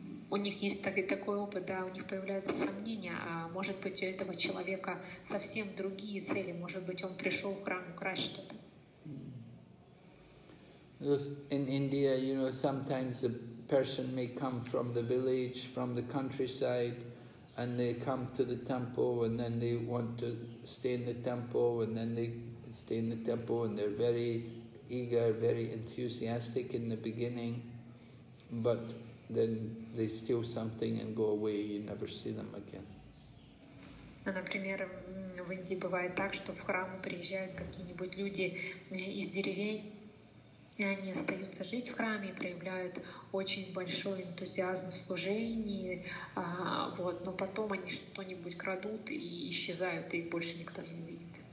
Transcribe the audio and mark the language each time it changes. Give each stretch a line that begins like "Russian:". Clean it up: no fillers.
Russian: У них есть такой опыт, да, у них появляются сомнения, а может быть у этого человека совсем другие цели, может быть он пришел в храм украсть что-то.
English: In India, you know, sometimes a person may come from the village, from the countryside, and they come to the temple, and then they want to stay in the temple, and then they stay in the temple, and they're very eager, very enthusiastic in the beginning, but then they steal something and go away, you never see them again.
Russian: Например, в Индии бывает так, что в храмы приезжают какие-нибудь люди из деревень, и они остаются жить в храме и проявляют очень большой энтузиазм в служении, вот, но потом они что-нибудь крадут и исчезают, и больше никто не увидит.